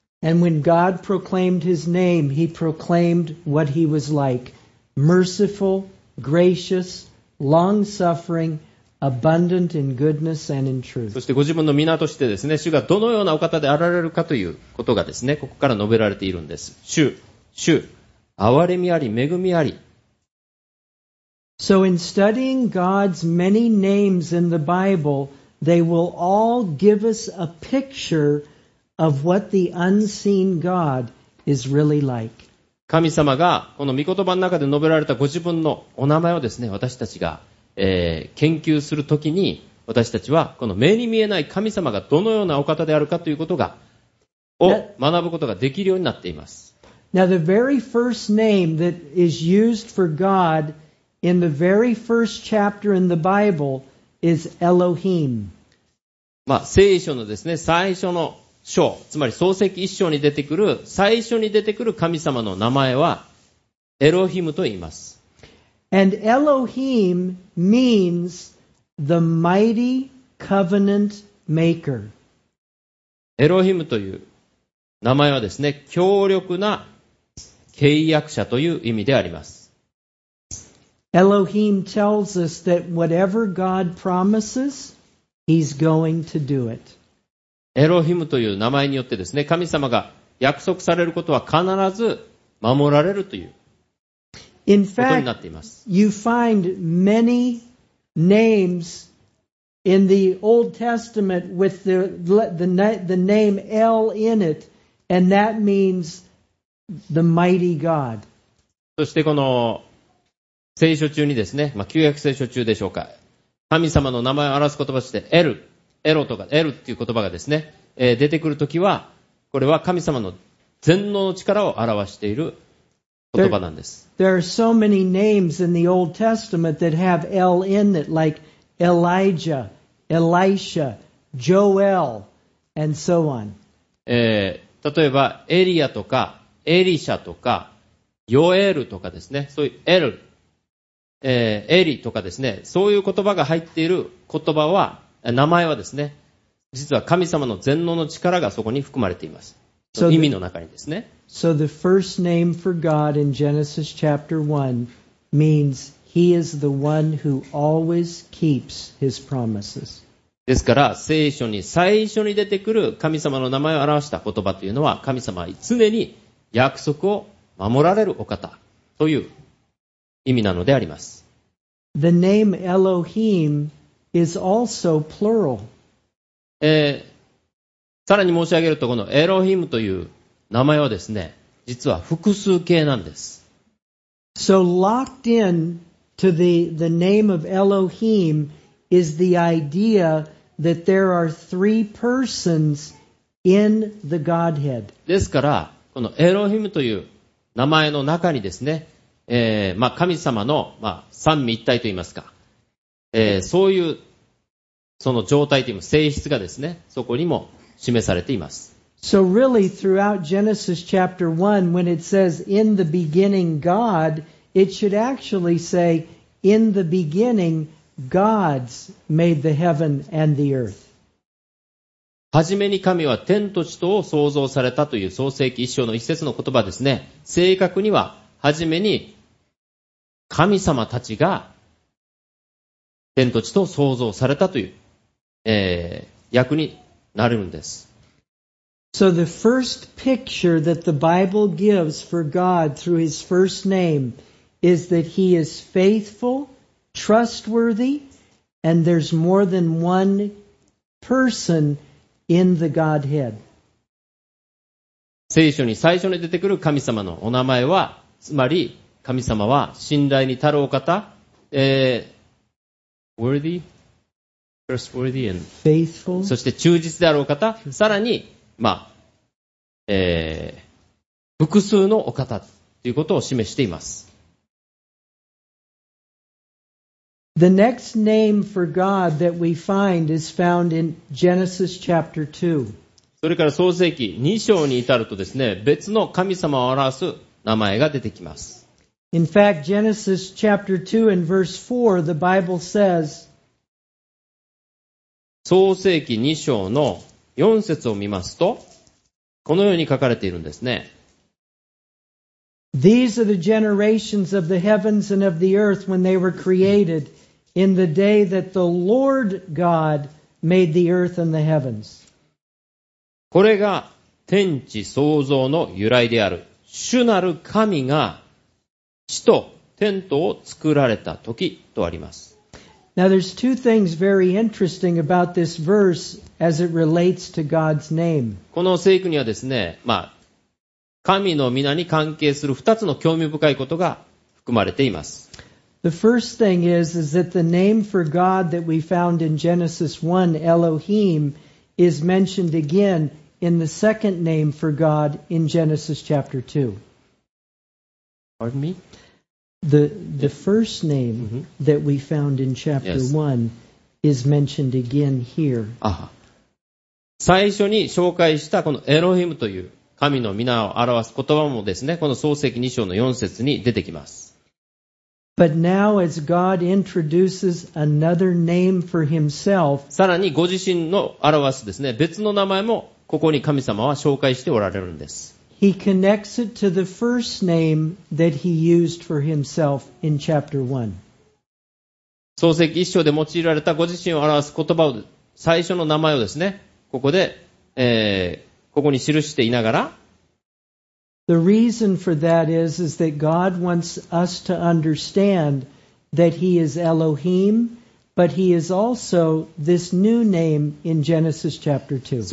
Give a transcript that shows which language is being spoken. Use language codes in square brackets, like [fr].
[en] And when God proclaimed his name, he proclaimed what he was like. Merciful, gracious, long-suffering, abundant in goodness and in truth. [ja] そしてご自分の名としてですね、主がどのようなお方であられるかということがですね、ここから述べられているんです。主、憐れみあり、恵みあり、 [en] So in studying God's many names in the Bible, they will all give us a picture of what the unseen God is really like. [ja] 神様がこの御言葉の中で述べられたご自分のお名前をですね、私たちが、研究するときに私たちはこの目に見えない神様がどのようなお方であるかということがを学ぶことができるようになっています。 [en] Now, the very first name that is used for God in the very first chapter in the Bible is Elohim. [ja] まあ、聖書のですね、最初の章、つまり創世記一章に出てくる、最初に出てくる神様の名前は、エロヒムと言います。 [en] And Elohim means the mighty covenant maker. [ja] エロヒムという名前はですね、強力な契約者という意味であります。 [en] Elohim tells us that whatever God promises, He's going to do it. [ja] エロヒムという名前によってですね、神様が約束されることは必ず守られるという。 [en] In fact, you find many names in the Old Testament with the name El in it, and that means the mighty God. [ja] そしてこの聖書中にですね、まあ、旧約聖書中でしょうか、神様の名前を表す言葉としてエルっていう言葉がですね、出てくるときは、これは神様の全能の力を表している言葉なんです。 [en] There are so many names in the Old Testament that have El in it, like Elijah, Elisha, Joel, and so on. [ja] 例えばエリアとかエリシャとかヨエルとかですね、そういうエリとかですね、そういう言葉が入っている言葉は、名前はですね、実は神様の全能の力がそこに含まれています。その意味の中にですね。 [en] So the first name for God in Genesis chapter 1 means He is the one who always keeps His promises. [ja] ですから、聖書に最初に出てくる神様の名前を表した言葉というのは、神様は常に約束を守られるお方という意味なのであります。 [en] The name Elohim is also plural. [ja] さらに申し上げると、このエロヒムという名前はですね、実は複数形なんです。 [en] So locked in to the name of Elohim is the idea that there are three persons in the Godhead. [ja] ですから、このエロヒムという名前の中にですね、まあ、神様の、まあ、三位一体といいますか、そういうその状態というか性質がですね、そこにも示されています。 [en] So really, throughout Genesis chapter 1, when it says, in the beginning, God, it should actually say, in the beginning, God's made the heaven and the earth. [ja] はじめに神は天と地とを創造されたという創世記一章の一節の言葉ですね。正確には、はじめに神様たちが天と地と創造されたという、訳になるんです。 [en] So the first picture that the Bible gives for God through His first name is that He is faithful, trustworthy, and there's more than one person in the Godhead. [ja] 聖書に最初に出てくる神様のお名前は、つまり神様は信頼に足るお方、 [en] worthy, trustworthy and faithful, [ja] そして忠実であるお方、さらにまあ複数のお方ということを示しています。 [en] The next name for God that we find is found in Genesis chapter 2. [ja] それから創世記2章に至るとですね、別の神様を表す名前が出てきます。 [en] In fact, Genesis chapter 2 and verse 4, the Bible says, [ja] 創世記2章の4節を見ますと、このように書かれているんですね。 [en] These are the generations of the heavens and of the earth when they were created in the day that the Lord God made the earth and the heavens. [ja] これが天地創造の由来である。主なる神が地と天とを作られた時とあります。 [en] Now there's two things very interesting about this verse as it relates to God's name. [ja] この聖句にはですね、まあ、神の名に関係する二つの興味深いことが含まれています。 [en] The first thing is that the name for God that we found in Genesis 1, Elohim, is mentioned again in the second name for God in Genesis chapter 2. Pardon me? The first name that we found in chapter 1 is mentioned again here. Aha. [ja] 最初に紹介したこのエロヒムという神の皆を表す言葉もですね、この創世記2章の4節に出てきます。 [en] But now, as God introduces another name for himself, [ja] さらにご自身の表すですね、別の名前もここに神様は紹介しておられるんです。 [en] He connects it to the first name that he used for himself in chapter 1. [ja] 創世記1章で用いられたご自身を表す言葉を、最初の名前をですね、ここで、ここに記していながら、 [en] The reason for that is that God wants us to understand that He is Elohim, but He is also this new name in Genesis chapter 2.